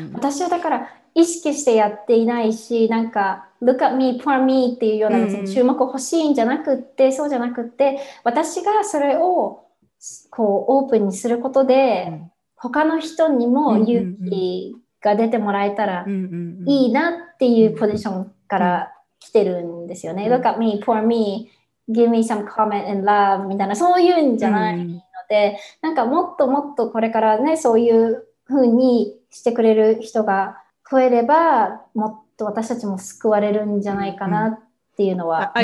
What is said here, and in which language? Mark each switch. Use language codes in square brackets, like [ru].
[ja] 私はだから意識してやっていないし、なんか [en] Look at me, poor me [ja] っていうような別に注目欲しいんじゃなくって、そうじゃなくって、私がそれをこうオープンにすることで、他の人にも勇気が出てもらえたらいいなっていうポジションから来てるんですよね。 [en] Look at me, poor me, give me some comment and love [ja] みたいな、そういうんじゃない。で、なんかもっともっとこれからね、そういう風にしてくれる人が増えれば、もっと私たちも救われるんじゃないかなっていうのは。